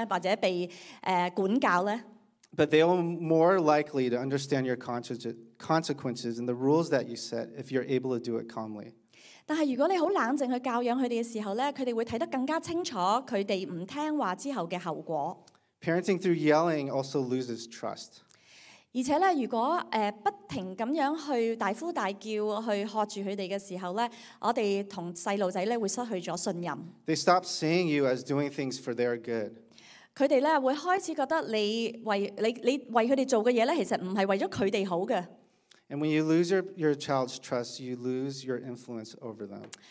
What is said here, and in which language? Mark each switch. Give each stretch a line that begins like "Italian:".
Chinese: 其實是很真實的,哪一個小孩想被教養,或者被管教呢?
English: But they are more likely to understand your consequences and the rules that you set if you're able to do it calmly.
Chinese: 但是如果你很冷靜去教養他們的時候,他們會看得更加清楚他們不聽話之後的後果。
English: Parenting through yelling also loses trust.
Chinese: 而且如果不停地去大呼大叫,去喝著他們的時候,我們跟小孩會失去了信任。
English: They stop seeing you as doing things for their good.
Chinese: 他們會開始覺得你為他們做的事,其實不是為了他們好的。
English: And when you lose your child's trust, you lose your influence over them.